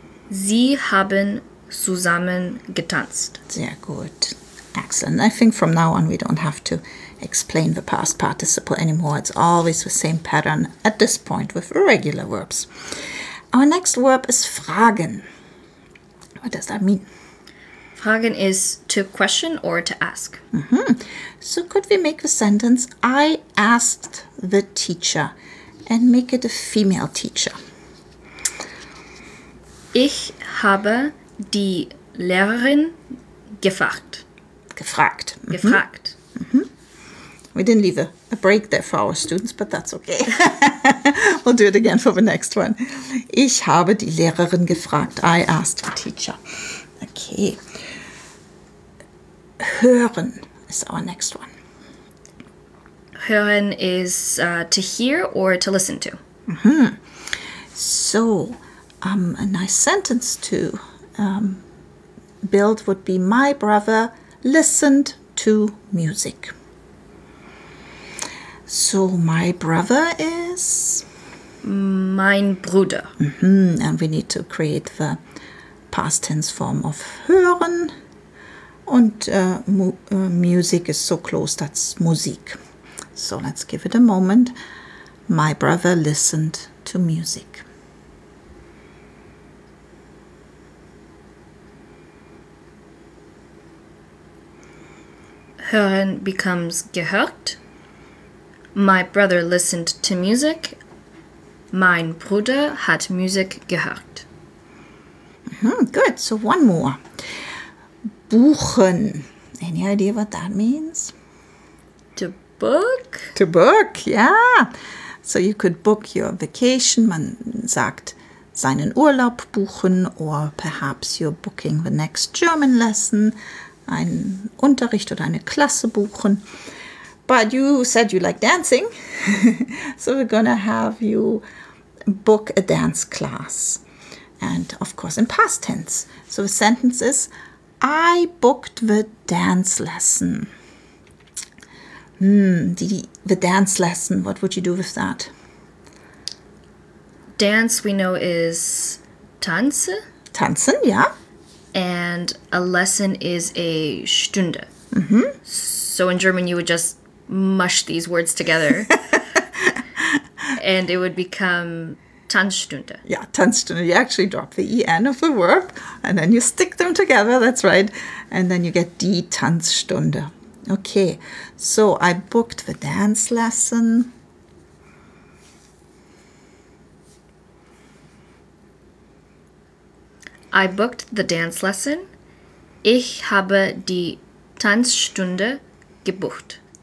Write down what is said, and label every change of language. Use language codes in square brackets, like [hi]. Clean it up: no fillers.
[de] Sie haben zusammen getanzt. Sehr gut. [en] Excellent. I think from now on we don't have to explain the past participle anymore. It's always the same pattern at this point with regular verbs. Our next verb is fragen. What does that mean? Fragen is to question or to ask. Mm-hmm. So could we make the sentence, I asked the teacher, and make it a female teacher? [de] Ich habe die Lehrerin gefragt. Gefragt. Mm-hmm. Gefragt. Mm-hmm. [en] We didn't leave a break there for our students, but that's okay. We'll do it again for the next one. [de] Ich habe die Lehrerin gefragt. [en] I asked the teacher. Okay. Hören is our next one. Hören is to hear or to listen to. Mm-hmm. So, a nice sentence to build would be, my brother listened to music. So, my brother is? [de] Mein Bruder. [en] Mm-hmm. And we need to create the past tense form of hören. And music is so close, that's Musik. So, let's give it a moment. My brother listened to music. Hören becomes gehört. My brother listened to music. [de] Mein Bruder hat Musik gehört. [en] Mm-hmm, good. So one more. Buchen. Any idea what that means? To book. To book, yeah. So you could book your vacation. [de] Man sagt, seinen Urlaub buchen. [en] Or perhaps you're booking the next German lesson. [de] Einen Unterricht oder eine Klasse buchen. [en] But you said you like dancing, so we're going to have you book a dance class. And, of course, in past tense. So the sentence is, I booked the dance lesson. The dance lesson, what would you do with that? Dance, we know, is Tanze. Tanzen, yeah. And a lesson is a Stunde. Mm-hmm. So in German, you would just mush these words together and it would become Tanzstunde. Yeah, Tanzstunde. You actually drop the EN of the verb and then you stick them together. That's right. And then you get die Tanzstunde. Okay. So I booked the dance lesson. I booked the dance lesson. [de] Ich habe die Tanzstunde gebucht.